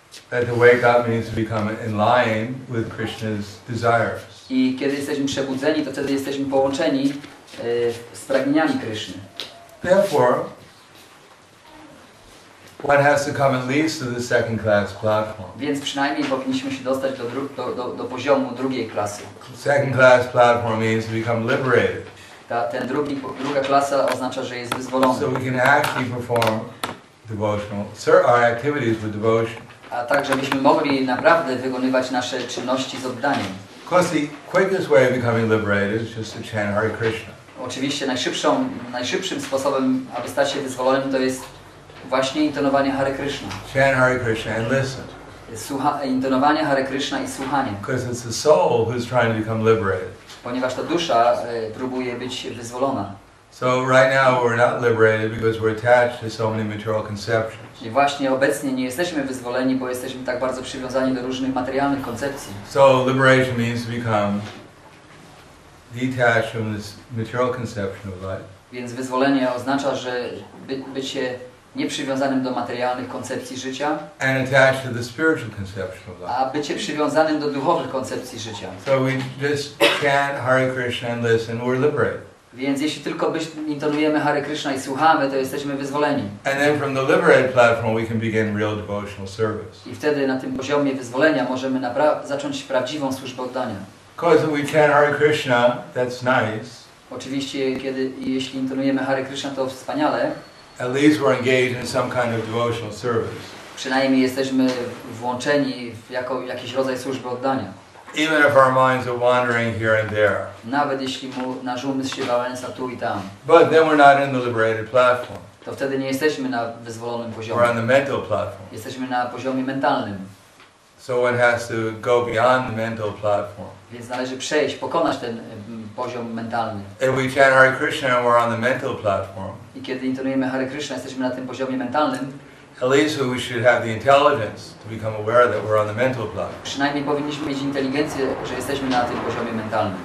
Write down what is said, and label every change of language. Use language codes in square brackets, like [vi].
[en] That to wake up means to become in line with Krishna's desires. [pl] I kiedy jesteśmy przebudzeni, to wtedy jesteśmy połączeni z pragnieniami Krishny. [en] Therefore, one has to come at least to the second class platform. [pl] Więc przynajmniej powinniśmy się dostać do poziomu drugiej klasy. [en] Second class platform means to become liberated. [pl] Druga klasa oznacza, że jest wyzwolony. [en] So we can actually perform devotional, serve our activities with devotion. [pl] A tak, żebyśmy mogli naprawdę wykonywać nasze czynności z oddaniem. [en] Of course, the quickest way of becoming liberated is just to chant Hare Krishna. [pl] Oczywiście najszybszym sposobem, aby stać się wyzwolonym, to jest właśnie intonowanie Hare Krishna. [en] Chant Hare Krishna and listen. [pl] Intonowanie Hare Krishna i słuchanie. [en] Because it's the soul who's trying to become liberated. [pl] Ponieważ ta dusza próbuje być wyzwolona. [en] So right now we're not liberated because we're attached to so many material conceptions. [pl] I właśnie obecnie nie jesteśmy wyzwoleni, bo jesteśmy tak bardzo przywiązani do różnych materialnych koncepcji. [en] So liberation means to become detached from this material conception of life. [pl] Więc wyzwolenie oznacza, że być się nieprzywiązanym do materialnych koncepcji życia, [en] and attached to the spiritual conception of life. [pl] A bycie przywiązanym do duchowych koncepcji życia. [en] So we just chant Hare Krishna and listen, we're liberated. [pl] Więc jeśli tylko intonujemy Hare Krishna i słuchamy, to jesteśmy wyzwoleni. [en] And then from the liberated platform we can begin real devotional service. [pl] I wtedy na tym poziomie wyzwolenia możemy zacząć prawdziwą służbę oddania. [en] Because we chant Hare Krishna, that's nice. [pl] Oczywiście, jeśli intonujemy Hare Krishna, to wspaniale. [en] At least we're engaged in some kind of devotional service. [pl] Przynajmniej jesteśmy włączeni w jakiś rodzaj służby oddania. [en] Even if our minds are wandering here and there. [pl] Nawet jeśli nasz umysł się wałęsa tu i tam. [en] But then we're not in the liberated platform. [pl] To wtedy nie jesteśmy na wyzwolonym poziomie. [en] We're on the mental platform. [pl] Jesteśmy na poziomie mentalnym. [en] So one has to go beyond the mental platform. [pl] Więc należy przejść, pokonać ten poziom mentalny. [en] If we chant Hare Krishna, we're on the mental platform. [pl] I kiedy intonujemy Hare Krishna, jesteśmy na tym poziomie mentalnym. [en] At least we should have the intelligence to become aware that we're on the mental platform. [pl] Przynajmniej powinniśmy mieć inteligencję, że jesteśmy na tym poziomie mentalnym.